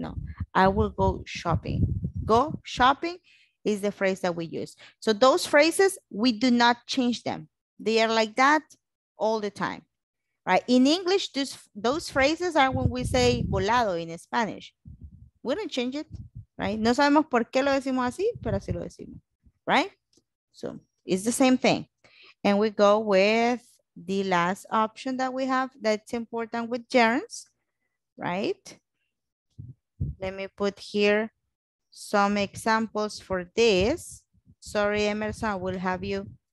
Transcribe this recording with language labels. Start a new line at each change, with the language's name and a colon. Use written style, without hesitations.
English: No, I will go shopping. Go shopping is the phrase that we use. So those phrases, we do not change them. They are like that all the time, right? In English, those phrases are when we say volado in Spanish. We don't change it, right?
Spanish: No sabemos por qué lo decimos así, pero así lo decimos, right?
English: So it's the same thing. And we go with the last option that we have that's important with gerunds, right? Let me put here some examples for this. Sorry, Emerson, I will have you